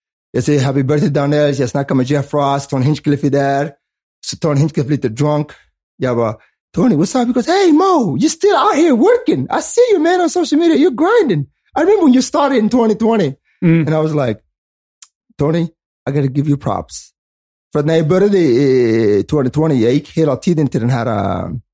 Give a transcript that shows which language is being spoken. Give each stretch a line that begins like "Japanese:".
Swedish: Jag säger,
English: happy birthday,
Swedish: Daniel. Jag snackar med Jeff Ross. Tony Hinchcliffe är där. Så Tony Hinchcliffe lite drunk. Jag bara,
English: Tony, what's up? He goes, hey, Mo, you're still out here working. I see you, man, on social media. You're grinding. I remember when you started in 2020. And I was like, Tony, I gotta give you props.
Swedish: För när jag började 2020, jag gick hela tiden till den här